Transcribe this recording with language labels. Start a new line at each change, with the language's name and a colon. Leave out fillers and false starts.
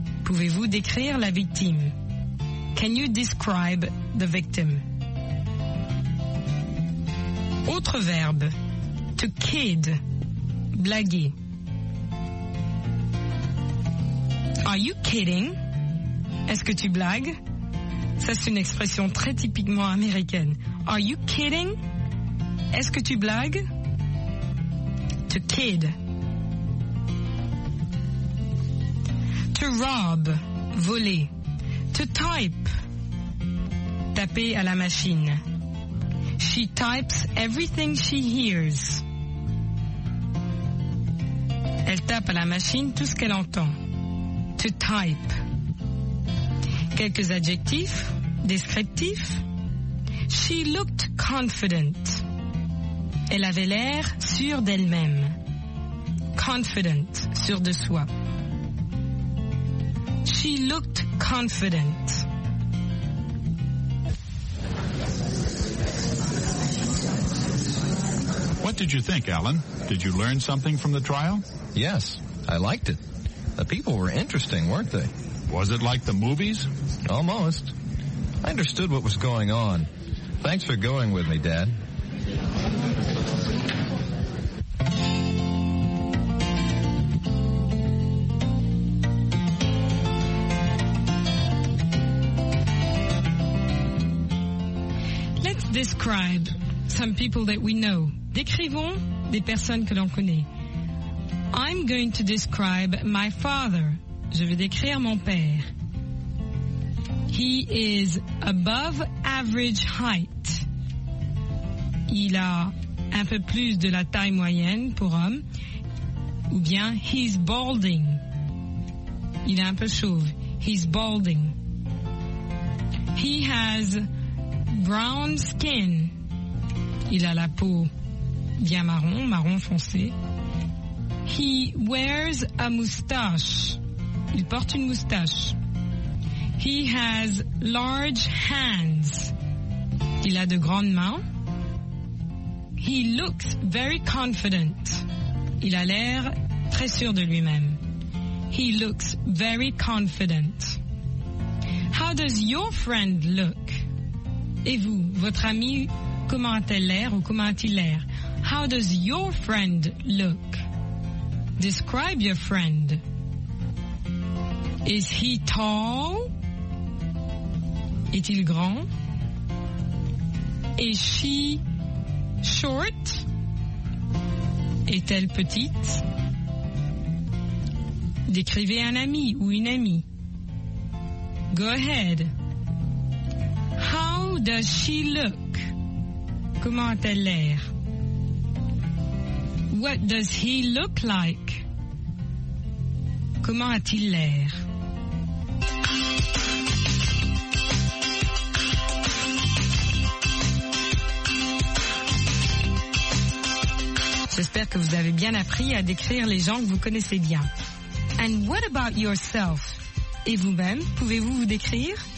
French: Pouvez-vous décrire la victime?
English: Can you describe the victim?
French: Autre verbe.
English: To kid,
French: blaguer.
English: Are you kidding?
French: Est-ce que tu blagues? Ça, c'est une expression très typiquement américaine.
English: Are you kidding?
French: Est-ce que tu blagues?
English: To kid. To rob, voler. To type,
French: taper à la machine.
English: She types everything she hears.
French: Elle tape à la machine tout ce qu'elle entend.
English: To type.
French: Quelques adjectifs descriptifs.
English: She looked confident.
French: Elle avait l'air sûre d'elle-même. Confident, sûre de soi.
English: She looked confident. What did you think, Alan? Did you learn something from the trial? Yes, I liked it. The people were interesting, weren't they? Was it like the movies? Almost. I understood what was going on. Thanks for going with me, Dad. Let's describe some people that we know.
French: Décrivons des personnes que l'on connaît.
English: I'm going to describe my father.
French: Je vais décrire mon père.
English: He is above average height.
French: Il a un peu plus de la taille moyenne pour homme. Ou bien,
English: he's balding.
French: Il est un peu chauve.
English: He's balding. He has brown skin.
French: Il a la peau bien marron, marron foncé.
English: He wears a moustache.
French: Il porte une moustache.
English: He has large hands.
French: Il a de grandes mains.
English: He looks very confident.
French: Il a l'air très sûr de lui-même.
English: He looks very confident. How does your friend look?
French: Et vous, votre ami, comment a-t-elle l'air ou comment a-t-il l'air?
English: How does your friend look? Describe your friend. Is he tall?
French: Est-il grand?
English: Is she short?
French: Est-elle petite? Décrivez un ami ou une amie.
English: Go ahead. How does she look?
French: Comment a-t-elle l'air?
English: What does he look like?
French: Comment a-t-il l'air? J'espère que vous avez bien appris à décrire les gens que vous connaissez bien.
English: And what about yourself?
French: Et vous-même, pouvez-vous vous décrire?